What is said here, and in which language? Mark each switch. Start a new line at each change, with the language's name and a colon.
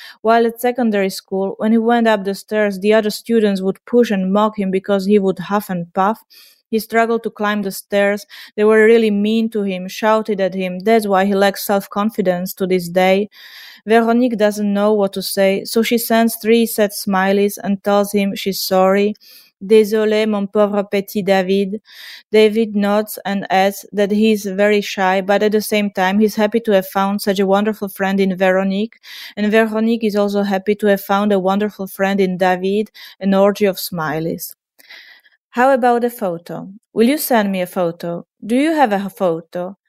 English: While at secondary school, when he went up the stairs, the other students would push and mock him because he would huff and puff. He struggled to climb the stairs. They were really mean to him, shouted at him. That's why he lacks self-confidence to this day. Veronique doesn't know what to say, so she sends three sad smileys and tells him she's sorry.
French: Désolé, mon pauvre petit David.
English: David nods and adds that he's very shy, but at the same time, he's happy to have found such a wonderful friend in Veronique. And Veronique is also happy to have found a wonderful friend in David, an orgy of smileys. How about a photo? Will you send me a photo? Do you have a photo?